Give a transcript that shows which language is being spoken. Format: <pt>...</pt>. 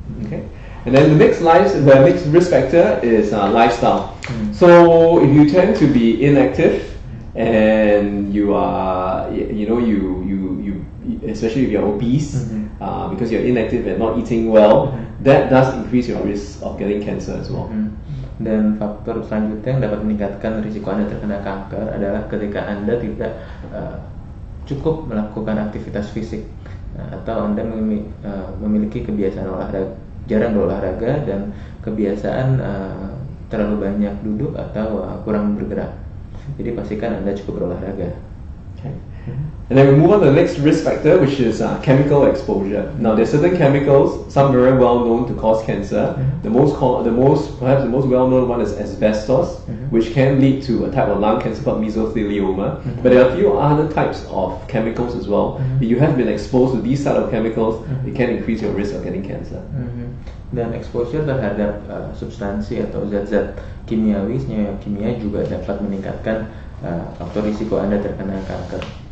<en>Okay, and then the next risk factor is lifestyle. So if you tend to be inactive and you are, you know, you especially if you're obese, because you're inactive and not eating well, that does increase your risk of getting cancer as well.</en> <id>Dan faktor selanjutnya yang dapat meningkatkan risiko Anda terkena kanker adalah ketika Anda tidak cukup melakukan aktivitas fisik, atau Anda memiliki kebiasaan olahraga, jarang berolahraga, dan kebiasaan terlalu banyak duduk atau kurang bergerak. Jadi pastikan Anda cukup berolahraga.</id> <en>Okay. And then we move on to the next risk factor, which is chemical exposure. Now there are certain chemicals, some very well known to cause cancer. The most well known one is asbestos, which can lead to a type of lung cancer called mesothelioma. But there are a few other types of chemicals as well. If you have been exposed to these type of chemicals, it can increase your risk of getting cancer.</en> <id>Dan exposure terhadap substansi atau zat-zat kimiawi, senyawa kimia, juga dapat meningkatkan faktor risiko Anda terkena kanker.</id>